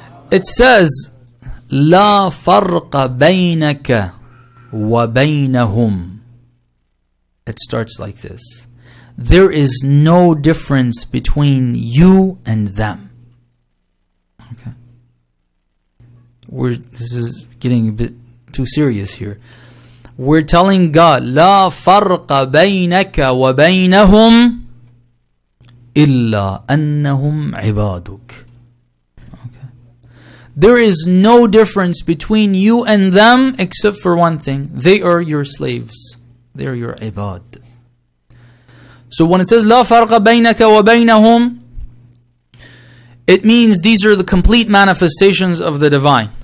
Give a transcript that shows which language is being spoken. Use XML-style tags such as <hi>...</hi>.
<en>It says,</en> <ar>La farqa baynaka wa baynahum.</ar> <en>It starts like this. There is no difference between you and them. Okay. This is getting a bit too serious here. We're telling God,</en> <ar>لا فرق بينك وبينهم إلا أنهم عبادك.</ar> <en>There is no difference between you and them except for one thing. They are your slaves. They are your ibad. So when it says,</en> <ar>لا فرق بينك وبينهم,</ar> <en>it means these are the complete manifestations of the divine.</en>